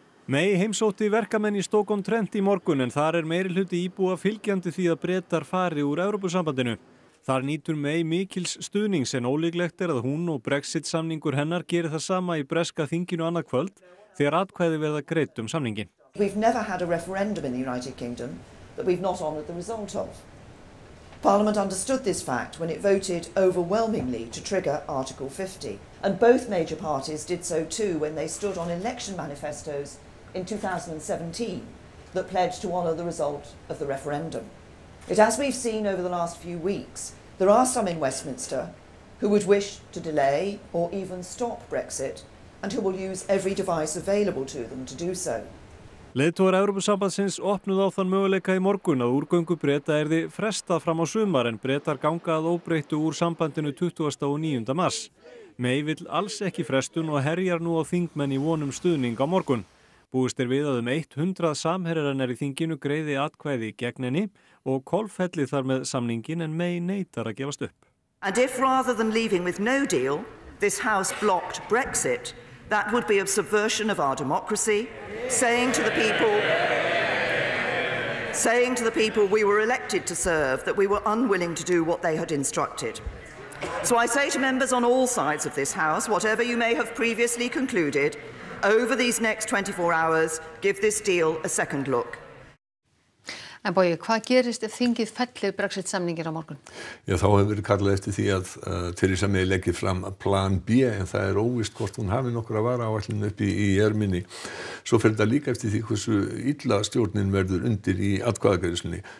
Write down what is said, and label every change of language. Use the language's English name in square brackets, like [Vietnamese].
[Icelandic] May heimsótti verkamenn í Stoke-on-Trent í morgun en þar meirihluti íbúa fylgjandi því að Bretar fari úr Evrópusambandinu. Þar nýtur May mikils stuðnings en ólíklegt að hún og Brexit-samningur hennar geri það sama í breska þinginu annað kvöld þegar atkvæði verða greitt samninginn. [English] We've never had a referendum in the United Kingdom that we've not honoured the result of. Parliament understood this fact when it voted overwhelmingly to trigger Article 50, and both major parties did so too when they stood on election manifestos in 2017 that pledged to honour the result of the referendum. But as we've seen over the last few weeks, there are some in Westminster who would wish to delay or even stop Brexit and who will use every device available to them to do so. [Icelandic] Leiðtogar Evrópusambandsins opnuðu á þann möguleika í morgun að úrgöngu Breta erði frestað fram á sumar en Bretar ganga að óbreyttu úr sambandinu 29. mars. May vill alls ekki frestun og herjar nú á þingmenn í vonum stuðning á morgun. Búist við að 100 samherrarnar í þinginu greiði atkvæði gegn henni og kolfelli þar með samningin en May neitar að gefast upp. [English] And if rather than leaving with no deal, this house blocked Brexit, that would be a subversion of our democracy, saying to the people we were elected to serve that we were unwilling to do what they had instructed. So I say to members on all sides of this House, whatever you may have previously concluded, over these next 24 hours, give this deal a second look. [Icelandic] En Bogi, hvað gerist ef þingið fellir Brexit-samningin á morgun? Já, þá hefur verið kallað eftir því að Theresa May leggir fram plan B, en það óvíst hvort hún hafi nokkra vara áætlun upp í erminni. Svo fer það líka eftir því hversu illa stjórnin verður undir í atkvæðagreiðslunni.